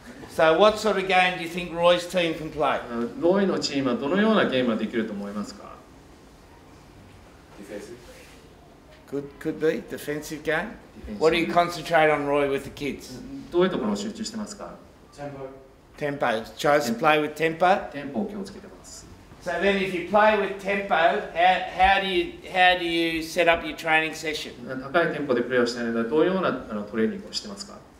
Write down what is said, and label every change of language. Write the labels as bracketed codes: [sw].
[en] So what sort of game do you think Roy's team can play? [ja] Roy のチームはどのようなゲームができると思いますか? [en] Defensive. Could be. Defensive game. Defensive. What do you concentrate on Roy with the kids? [ja] どういうところを集中してますか? [en] Tempo. Tempo. Chose to play with tempo? [ja] Tempo を気をつけてます。 [en] So then if you play with tempo, how do you set up your training session? [ja] 高いテンポでプレーをしているのはどのようなトレーニングをしてますか?